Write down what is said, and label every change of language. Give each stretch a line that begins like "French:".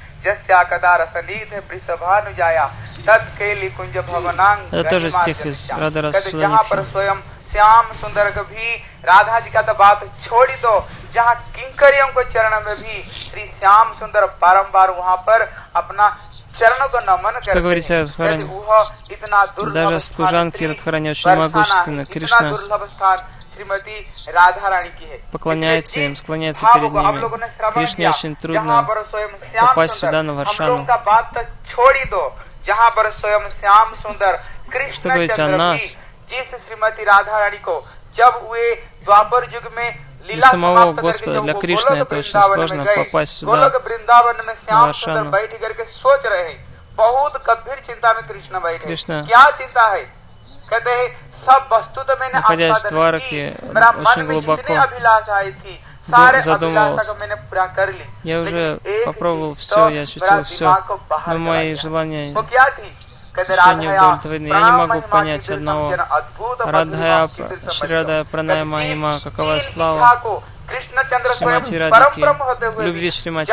Russian: Это тоже стих из Радарас Суданитхи.
Hindi: श्याम सुंदर कभी राधा जी का तो बात छोड़ी दो जहाँ किंकरियों के चरण में भी श्री श्याम सुंदर बारंबार वहाँ पर अपना चरणों को नमन करते हैं. इतना दुर्लभ स्थान कृष्ण इतना दुर्लभ स्थान श्रीमती राधा रानी की है.
Russian: поклоняется им, склоняется перед ними. Кришне очень трудно попасть сюда на Варшану.
Hindi: जहाँ पर स्वयं श्याम सुंदर कृष्ण जिस श्रीमती राधा रानी को जब हुए द्वापर युग में लीला समाप्त करके जब कृष्ण ने
Russian: तो сложно попасть сюда
Hindi: गोलोक वृंदावन में श्याम सुंदर बैठ करके सोच रहे हैं. बहुत गंभीर चिंता में कृष्ण बैठे. क्या चिंता है? कहते हैं सब वस्तु तो मैंने आस्वादन की, मेरा मन में जितनी अभिलाष आई थी सारे
Russian: задумывался. Я уже попробовал все, я ощутил все, но мои желания все не удовлетворены. Я не могу понять одного. Радхая Праная Махима, какова слава Шримати Радхики, любви Шримати